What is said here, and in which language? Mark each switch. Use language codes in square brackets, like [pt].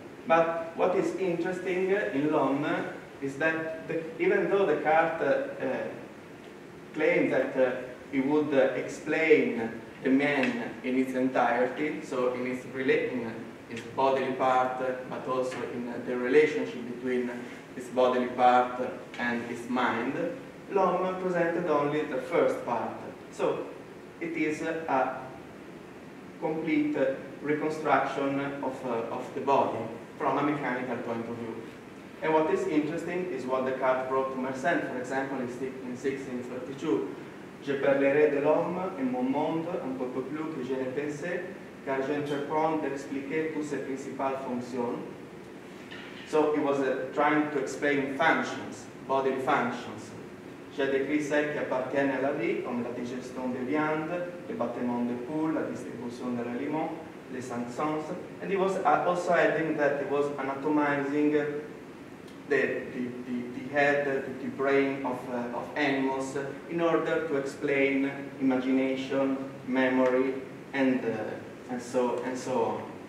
[en] But what is interesting in Lom is that even though Descartes claimed that he would explain the man in its entirety, so in its relating his bodily part, but also in the relationship between his bodily part and his mind, Lom presented only the first part. So it is a complete reconstruction of the body from a mechanical point of view. And what is interesting is what Descartes wrote to Mersenne, for example, in 1632. [fr] Je parlerai de l'homme et mon monde un peu plus que je ne pensais, car j'entreprends d'expliquer toutes ses principales fonctions. [en] So he was trying to explain functions, bodily functions. [fr] J'ai décrit celles qui appartiennent à la vie, comme la digestion des viandes, le battement des poules, la distribution de l'aliment, les cinq sens. [en] And he was also adding that he was anatomizing the head, the brain of animals in order to explain imagination, memory, and so on.